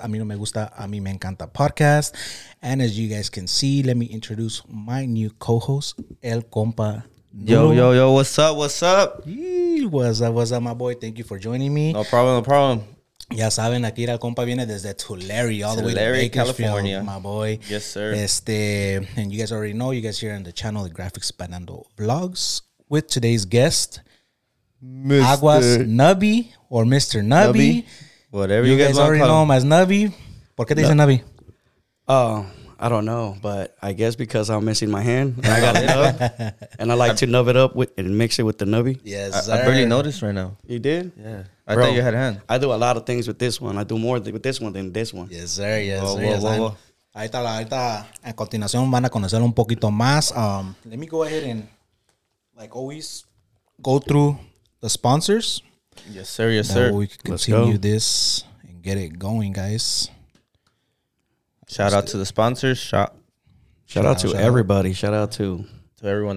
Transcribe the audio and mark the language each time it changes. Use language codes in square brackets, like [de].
[es] A mí no me gusta, a mí me encanta podcast. [en] And as you guys can see, let me introduce my new co-host, El Compa. Yo, what's up? What's up, my boy? Thank you for joining me. No problem. [es] Ya saben, aquí el compa viene desde Tulare, [en] all the way to Bakersfield, California. My boy. Yes, sir. And you guys already know, you guys here on the channel, the Graphics Panando Vlogs, with today's guest, Mr. Aguas Nubby, or Mr. Nubby. Whatever you guys want to call You guys already know him as Nubby. [es] ¿Por qué te dicen Nubby? [en] Oh, I don't know, but I guess because I'm missing my hand and I got it up and I like to nub it up with and mix it with the nubby. Yes, sir. I barely noticed right now. You did? Yeah. Bro, I thought you had a hand. I do a lot of things with this one. I do more with this one than this one. Yes, sir. [es] Ahí está. A continuación van a conocerlo un poquito más. [en] Let me go ahead and, like always, go through the sponsors. Yes, sir. We can continue this and get it going, guys. Shout out to the sponsors. Shout out to everybody. Shout out to everyone